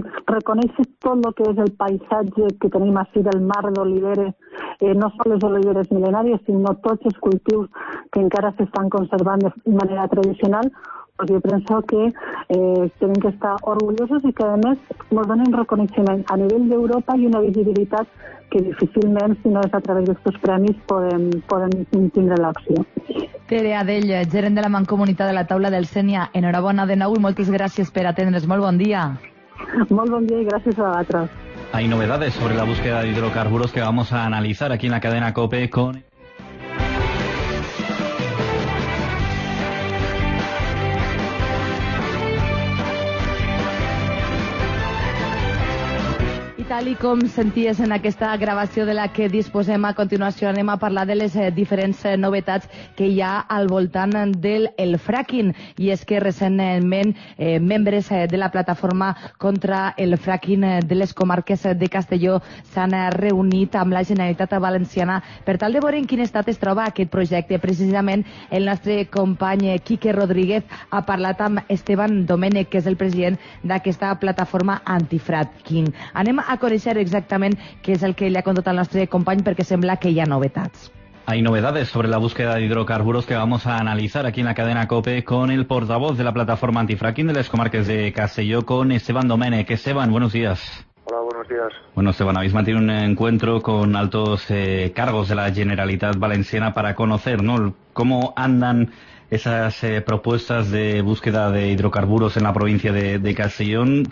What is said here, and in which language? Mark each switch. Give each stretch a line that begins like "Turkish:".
Catalan: reconeixes tot el que és el paisatge que tenim així del mar d'oliveres, no sols les oliveres mil·lenàries, sinó tots els cultius que encara s'estan conservant de manera tradicional, pues jo penso que hem d'estar orgullosos i que, a més, ens donen reconeixement a nivell d'Europa i una visibilitat que difícilment, si no és a través d'aquests premis, podem tindre l'opció. Tere Adell, gerent de la Mancomunitat de la Taula del Sénia, enhorabona de nou i moltes gràcies per atendre's. Molt bon dia. Molt bon dia i gràcies a vosaltres.
Spanish: Hay novedades sobre la búsqueda de hidrocarburos que vamos a analizar aquí en la cadena COPE con...
Catalan: Tal com senties en aquesta gravació de la que disposem a continuació, anem a parlar de les diferents novetats que hi ha al voltant del fracking. I és que recentment membres de la plataforma contra el fracking de les comarques de Castelló s'han reunit amb la Generalitat Valenciana per tal de veure en quin estat es troba aquest projecte. Precisament el nostre company Quique Rodríguez ha parlat amb Esteban Domènech, que és el president d'aquesta plataforma antifracking. Anem a conèixer exactament què és el que li ha contat al nostre company perquè sembla que hi ha novetats.
Spanish: Hay novedades sobre la búsqueda de hidrocarburos que vamos a analizar aquí en la cadena COPE con el portavoz de la plataforma antifracking de las comarques de Castelló, con Esteban Domènech. Esteban, buenos días. Hola, buenos días. Bueno, Esteban, habéis mantenido un encuentro con altos cargos de la Generalitat Valenciana para conocer, ¿no?, cómo andan esas propuestas de búsqueda de hidrocarburos en la provincia de Castellón.